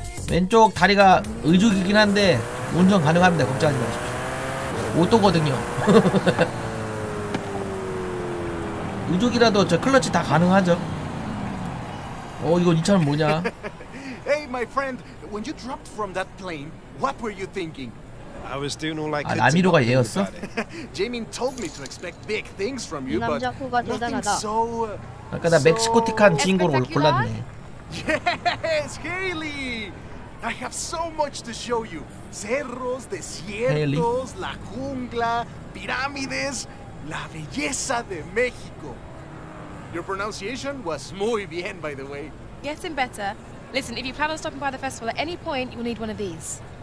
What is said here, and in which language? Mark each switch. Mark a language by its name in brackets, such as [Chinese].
[Korean] 왼쪽 다리가 의죽이긴 한데 운전 가능합니다. 걱정하지 마십시오. 오토거든요. 의죽이라도 저 클러치 다 가능하죠. 어, 이거 이 차는 뭐냐? [English] Hey, my friend. When you dropped from that plane, what were you thinking? I was doing all I could. [Korean] 아, 라미로가 얘였어? [English] Jamin told me to expect big things from you, [Korean] but 남자코가 대단하다. So, 아까 나 멕시코틱한 주인공을 골랐네. [English] Yes, Haley. I have so much to show you. [Spanish] Cerros, desiertos, la jungla, pirámides, la belleza de México. [English] Your pronunciation was [Spanish] muy bien, [English] by the way. Getting better. Listen, if you plan on stopping by the festival at any point, you'll need one of these.